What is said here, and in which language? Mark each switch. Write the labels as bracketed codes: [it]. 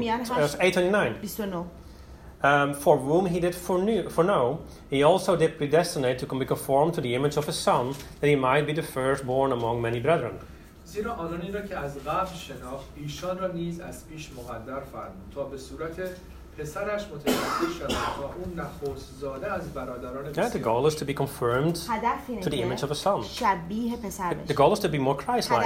[en] Romans 8:29, for whom he did foreknow, he also did predestinate to be conformed to the image of his son, that he might be the firstborn among many brethren. [fa] زیرا آنانی را که از قبل شناخت ایشان را نیز از پیش مقدر فرمود تا به صورت پسرش متولد شود و اون نخست زاده از برادران بسیار. [en] The goal is to be confirmed to the image of a son. [fa] شبیه پسر بشه. [en] The goal is to be more Christ-like.